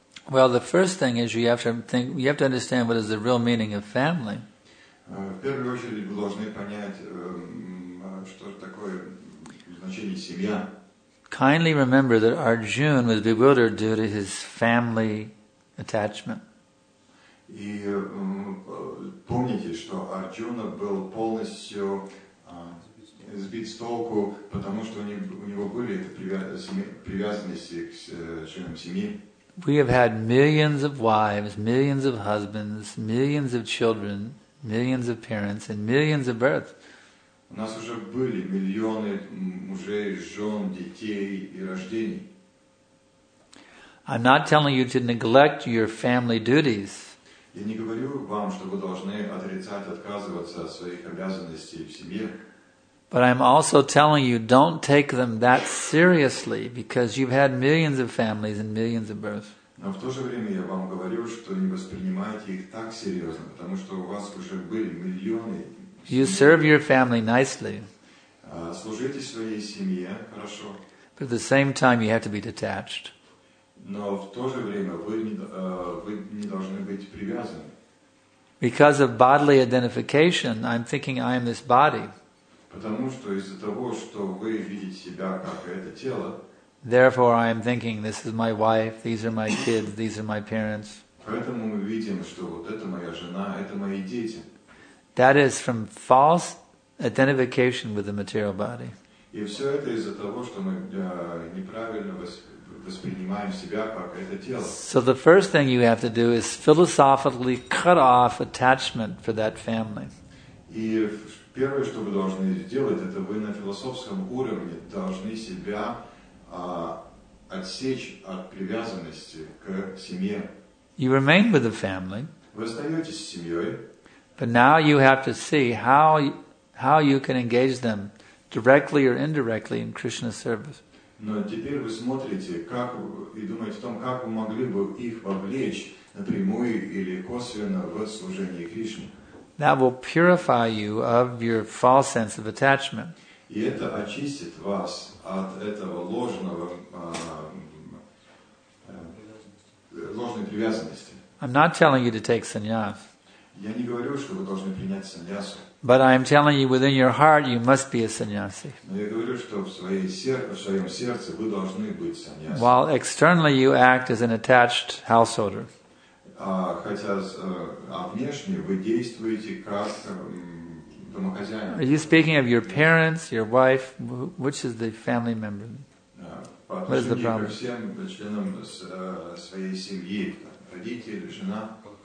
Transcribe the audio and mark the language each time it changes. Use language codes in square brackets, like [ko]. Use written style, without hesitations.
[en] Well, the first thing is you have to think. You have to understand what is the real meaning of family. [ru] В первую очередь вы должны понять, что такое значение семья. [en] Kindly remember that Arjun was bewildered due to his family attachment. [ru] И помните, что Арджуна был полностью сбит с толку, потому что у него были привязанности к членам семьи. [en] We have had millions of wives, millions of husbands, millions of children, millions of parents, and millions of births. [ru] У нас уже были миллионы мужей, жен, детей и рождений. [en] I'm not telling you to neglect your family duties. [ru] Я не говорю вам, что вы должны отрицать, отказываться от своих обязанностей в семье. [en] But I'm also telling you, don't take them that seriously, because you've had millions of families and millions of births. [ru] Но в то же время я вам говорю, что не воспринимайте их так серьезно, потому что у вас уже были миллионы. [en] You serve your family nicely. [ru] Служите своей семье хорошо. [en] But at the same time, you have to be detached. [ru] Но в то же время вы не должны быть привязаны. [en] Because of bodily identification, I'm thinking I am this body. [ru] Потому что из-за того, что вы видите себя как это тело. [en] Therefore, I am thinking this is my wife, these are my kids, these are my parents. [ru] Поэтому мы видим, что вот это моя жена, это мои дети. [en] That is from false identification with the material body. [ru] И все это из-за того, что мы неправильно воспринимаем себя как это тело. [en] So the first thing you have to do is philosophically cut off attachment for that family. [ru] И первое, что вы должны сделать, это вы на философском уровне должны себя отсечь от привязанности к семье. [en] You remain with the family. [ru] Вы остаетесь с семьей. [en] But now you have to see how you can engage them directly or indirectly in Krishna's service. [ru] Но теперь вы смотрите, как и думаете о том, как вы могли бы их вовлечь напрямую или косвенно в служение Кришне. [en] That will purify you of your false sense of attachment. [ru] И это очистит вас от этого ложной привязанности. [en] I'm not telling you to take sannyas. [ru] Я не говорю, что вы должны принять саньясу. [en] But I am telling you, within your heart, you must be a sannyasi. [ru] Но я говорю, что в своем сердце вы должны быть саньясой. [en] While externally you act as an attached householder. [ru] Внешне вы действуете как домохозяин. [en] Are you speaking of your parents, your wife? Which is the family member? What is the problem? [ru] По отношению ко всем членам своей семьи, родители, жена.